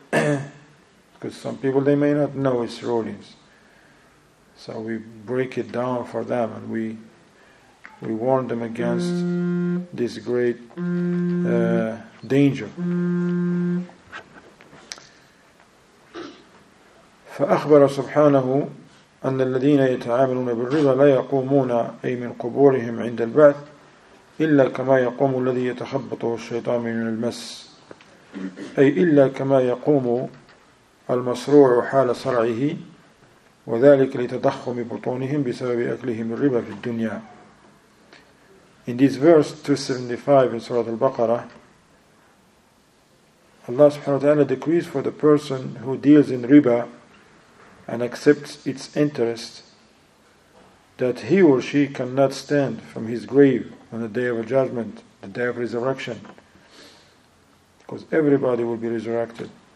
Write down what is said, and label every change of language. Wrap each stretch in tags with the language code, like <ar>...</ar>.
<en>Because some people they may not know its rulings. So we break it down for them and we warn them against this great danger.</en> <ar>فأخبر سبحانه أن الذين يتعاملون بالربا لا يقومون أي من قبورهم عند البعث إلا كما يقوم الذي يتخبطه الشيطان من المس أي إلا كما يقوم المصروع حال صرعه وذلك لتضخم بطونهم بسبب أكلهم الربا في الدنيا.</ar> <en>In this verse 275 in Surah Al-Baqarah, Allah subhanahu wa ta'ala decrees for the person who deals in riba and accepts its interest that he or she cannot stand from his grave on the day of judgment, the day of resurrection, because everybody will be resurrected.</en>